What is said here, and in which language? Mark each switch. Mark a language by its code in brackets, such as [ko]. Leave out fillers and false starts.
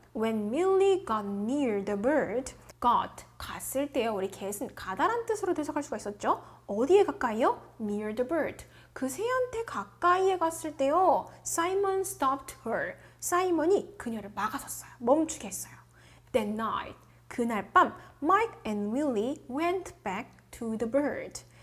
[en] when Millie got near the bird, got, [ko] 갔을 때요. 우리 get은 가다란 뜻으로 해석할 수가 있었죠? 어디에 가까이요? [en] near the bird. [ko] 그 새한테 가까이에 갔을 때요. [en] Simon stopped her. [ko] 사이먼이 그녀를 막아섰어요. 멈추게 했어요. [en] That night, [ko] 그날 밤, [en] Mike and Millie went back to the bird.